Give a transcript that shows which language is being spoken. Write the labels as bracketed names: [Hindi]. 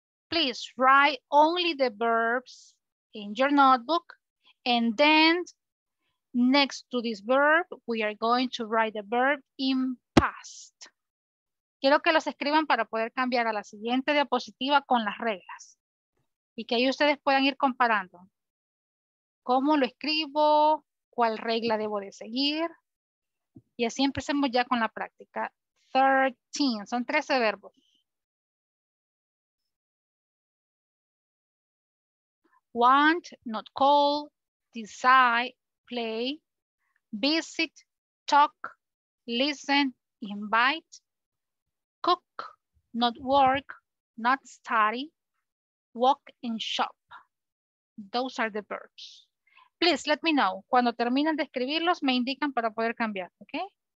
[English] Please write only the verbs in your notebook. And then next to this verb, we are going to write the verb in past. [Spanish] Quiero que los escriban para poder cambiar a la siguiente diapositiva con las reglas. Y que ahí ustedes puedan ir comparando. ¿Cómo lo escribo? ¿Cuál regla debo de seguir? Y así empecemos ya con la práctica. 13, son 13 verbos. [English] Want, not call, decide, play, visit, talk, listen, invite, cook, not work, not study, walk and shop. Those are the verbs. Please let me know. [Spanish] Cuando terminan de escribirlos, me indican para poder cambiar, ¿ok?